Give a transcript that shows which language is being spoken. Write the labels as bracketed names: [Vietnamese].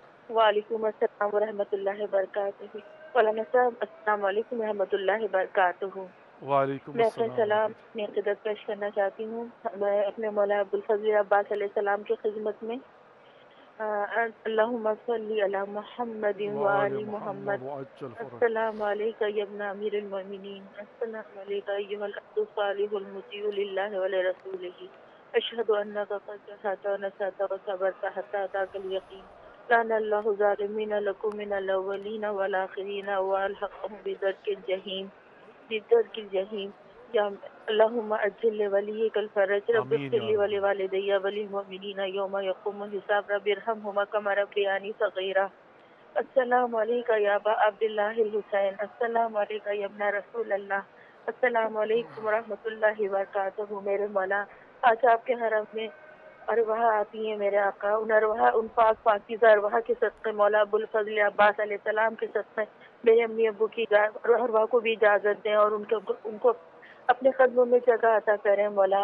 [Urdu] وعلیکم السلام ورحمۃ اللہ وبرکاتہ. مولانا صاحب السلام علیکم ورحمۃ اللہ وبرکاتہ. وعلیکم السلام. میں سلام اپنی قدر پیش کرنا چاہتی ہوں, میں اپنے مولا ابو الفضل عباس علیہ السلام کی خدمت میں. [Arabic] اللهم صل على محمد وعلى محمد. السلام عليك يا ابن امير المؤمنين. السلام عليك ايها الاخ الصالح المطيع لله ولرسوله. أشهد أنك قد جهدت ونسأت وصبرت حتى أتاك اليقين. لعن الله ظالمين لكم من الأولين والآخرين وألحقهم بدرك الجحيم بدرك الجحيم. يا اللهم أجل لوليك الفرج رب اغفر لي ولوالدي وللمؤمنين يوم يقوم الحساب رب ارحمهما كما ربياني صغيرا. السلام عليك يا أبا عبد الله الحسين. السلام عليك يا ابن رسول الله. السلام عليكم ورحمة الله وبركاته. [Urdu] میرے مولا آج آپ کے حرم میں ارواح آتی ہیں میرے آقا، ان ارواح ان پاک پاکیزہ ارواح کے صدقے مولا ابو الفضل عباس علیہ السلام کے صدقے میری امی ابو کی ارواح کو بھی اجازت دیں اور ان کو اپنے قدموں میں جگہ عطا کریں مولا.